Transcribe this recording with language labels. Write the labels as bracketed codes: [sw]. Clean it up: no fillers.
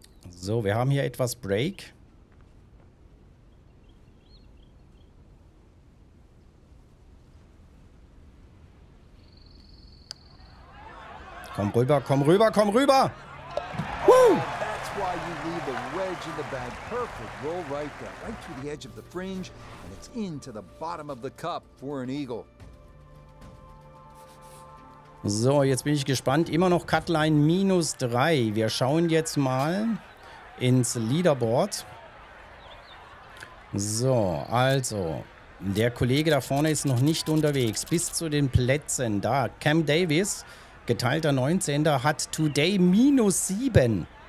[de] So, wir haben hier etwas Break. Komm rüber, komm rüber, komm rüber! Woo! [en] Why you leave the wedge in the bag perfect roll right there, right through the edge of the fringe, and it's into the bottom of the cup for an eagle. [de] So, jetzt bin ich gespannt. Immer noch Cutline minus 3. Wir schauen jetzt mal ins Leaderboard. So, also, der Kollege da vorne ist noch nicht unterwegs. Bis zu den Plätzen da. Cam Davis, geteilter 19er, hat today minus 7.